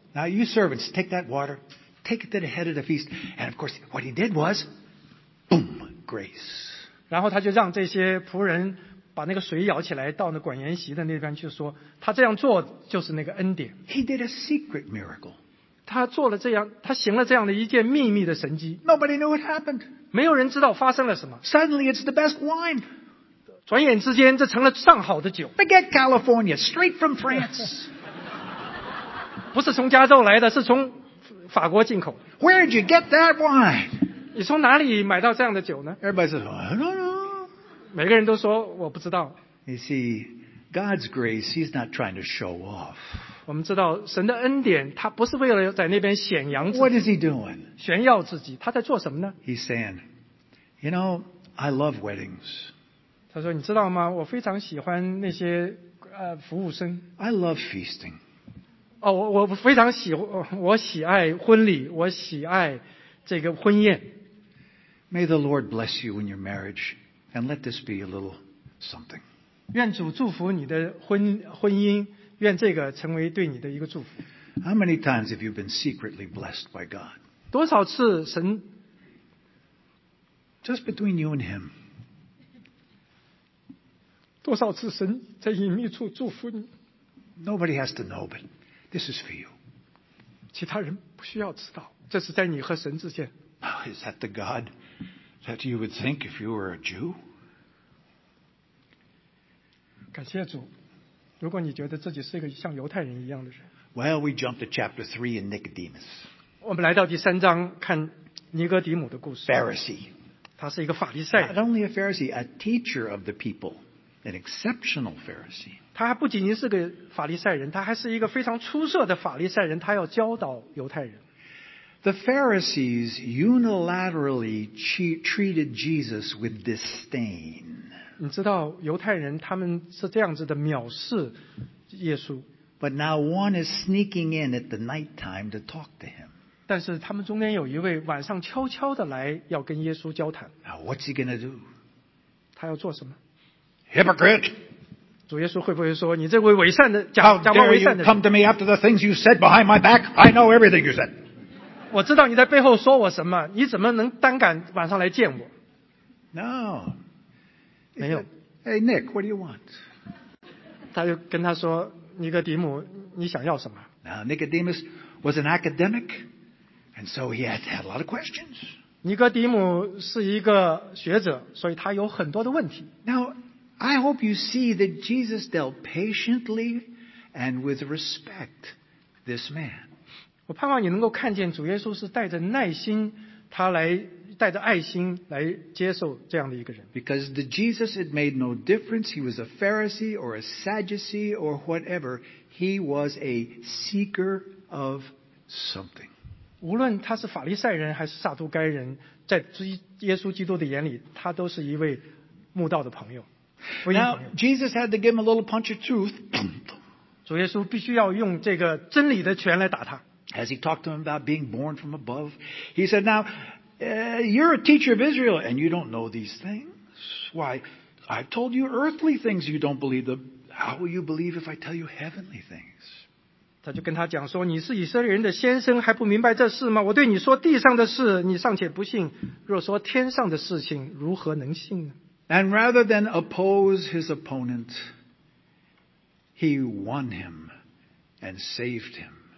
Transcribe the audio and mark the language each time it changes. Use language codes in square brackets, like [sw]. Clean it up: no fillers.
[en] Now you servants, take that water, take it to the head of the feast. And of course, what he did was, boom, grace. [zh] 然后他就让这些仆人把那个水舀起来到那管筵席的那边去说他这样做就是那个恩典。 [en] He did a secret miracle. [zh] 他做了这样，他行了这样的一件秘密的神迹。 [en] Nobody knew what happened. [zh] 没有人知道发生了什么。 [en] Suddenly, it's the best wine. [zh] 转眼之间，这成了上好的酒。 [en] Forget California, straight from France. [zh] 不是从加州来的，是从法国进口。 [en] Where did you get that wine? [zh] 你从哪里买到这样的酒呢 [en] ？Everybody says, I don't know. [zh] 每个人都说我不知道。 [en] You see, God's grace, He's not trying to show off. [zh] 我们知道神的恩典他不是为了在那边显扬自己。 [en] What is he doing? [zh] 炫耀自己。他在做什么呢 [en] ?He's saying, you know, I love weddings. [zh] 他说你知道吗我非常喜欢那些服务生。 [en] I love feasting. [zh] 哦我非常喜欢我喜爱婚礼我喜爱这个婚宴。 [en] May the Lord bless you in your marriage and let this be a little something. [zh] 愿主祝福你的婚姻。愿这个成为对你的一个祝福。 [en] How many times have you been secretly blessed by God? [zh] 多少次神 [en] Just between you and him. [zh] 多少次神在隐秘处祝福你。 [en] Nobody has to know, but this is for you. [zh] 其他人不需要知道，这是在你和神之间。 [en] Oh, is that the God that you would think if you were a Jew? [zh] 感谢主。如果你觉得自己是一个像犹太人一样的人 [en] Well, we jump to chapter 3 in Nicodemus. [zh] 我们来到第三章看尼哥底母的故事 [en] Pharisee. [zh] 他是一个法利赛 [en] Not only a Pharisee, a teacher of the people. An exceptional Pharisee. [zh] 他不仅仅是个法利赛人他还是一个非常出色的法利赛人他要教导犹太人 [en] The Pharisees unilaterally treated Jesus with disdain. [zh] 你知道犹太人他们是这样子的藐视耶稣 [en] But now one is sneaking in at the night time to talk to him. [zh] 但是他们中间有一位晚上悄悄的来要跟耶稣交谈 [en] Now what's he going to do? [zh] 他要做什么 [en] Hypocrite! [zh] 主耶稣会不会说你这位伪善的假冒伪善的 [en] How dare you come to me after the things you said behind my back? I know everything you said. [zh] 我知道你在背后说我什么你怎么能胆敢晚上来见我 [en] No. [zh] 没有。 [en] Hey, Nick, what do you want? [zh] 他就跟他说尼哥底母你想要什么 [en] Now, Nicodemus was an academic, and so he had a lot of questions. [zh] 尼哥底母是一个学者所以他有很多的问题。 [en] Now, I hope you see that Jesus dealt patiently and with respect this man. [zh] 我盼望你能够看见主耶稣是带着耐心他来带着爱心来接受这样的一个人。 [en] Because the Jesus had made no difference. He was a Pharisee or a Sadducee or whatever. He was a seeker of something. [zh] 无论他是法利赛人还是撒都该人，在耶稣基督的眼里，他都是一位慕道的朋友。 [en] Now, Jesus had to give him a little punch of truth. [zh] 主耶稣必须要用这个真理的权来打他。 [en] As he talked to him about being born from above, he said, "Now, you're a teacher of Israel, and you don't know these things. Why? I've told you earthly things you don't believe. How will you believe if I tell you heavenly things?" [zh] 他就跟他讲说，你是以色列人的先生，还不明白这事吗？我对你说地上的事，你尚且不信；若说天上的事情，如何能信呢？ [en] And rather than oppose his opponent, he won him and saved him.